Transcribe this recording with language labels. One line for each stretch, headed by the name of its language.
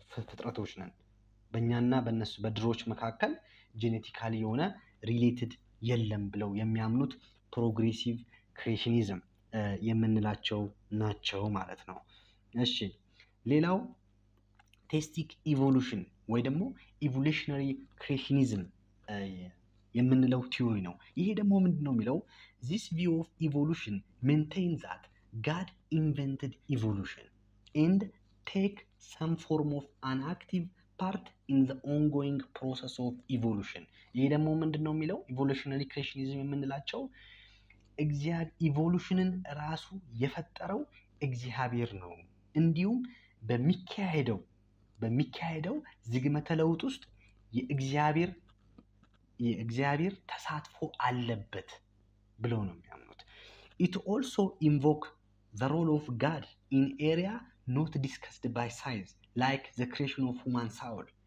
Amharic: ፍጥረቶች ነን። በእኛና በእነሱ በድሮች መካከል ጄኔቲካሊ የሆነ ሪሌትድ የለም ብለው የሚያምኑት ፕሮግሬሲቭ ክሬሽኒዝም የምንላቸው ናቸው ማለት ነው። እሺ፣ ሌላው ቴስቲክ ኢቮሉሽን ወይ ደግሞ ኢቮሉሽነሪ ክሬሽኒዝም የምንለው ቲዮሪ ነው። ይሄ ደግሞ ምንድን ነው የሚለው?
English: This view of evolution maintains that God invented evolution and take some form of an active part in the ongoing process of evolution.
Amharic: ይሄ ደግሞ ምንድን ነው የሚለው? ኢቮሉሽነሪ ክሬሽኒዝም የምንላቸው እግዚአብሔር ኢቮሉሽንን ራሱ የፈጠረው እግዚአብሔር ነው፣ እንዲሁም በሚካሄደው ዝግመተ ለውጥ ውስጥ የእግዚአብሔር ተሳትፎ አለበት ብለው ነው የሚያምኑት።
English: It also invoke the role of God in area not discussed by science like the creation of human soul.